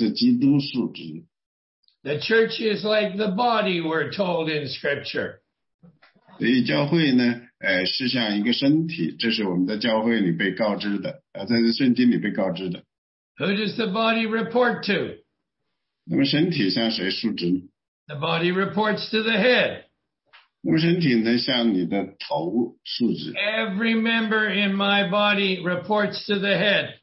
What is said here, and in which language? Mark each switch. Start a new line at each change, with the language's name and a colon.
Chinese: 因为在那些教会里的那些长老们呢，他们也许呢，他们就会管理教会，他们也许就会教导教会，他们也许其实是要帮助教会的会众，甚至呢，有的时候他们必须责备教会的管教教会的会众，但是呢，教会的会众从来不向长老述职，他们是向主耶稣基督述职。
English: The church is like the body, we're told in scripture.
Chinese: 所以教会呢？是像一个身体，这是我们在教会里被告知的，在圣经里被告知的。
English: Who does the body report to?
Chinese: 那么身体向谁述职呢？
English: The body reports to the head.
Chinese: 那么身体呢，向你的头述职。
English: Every member in my body reports to the head.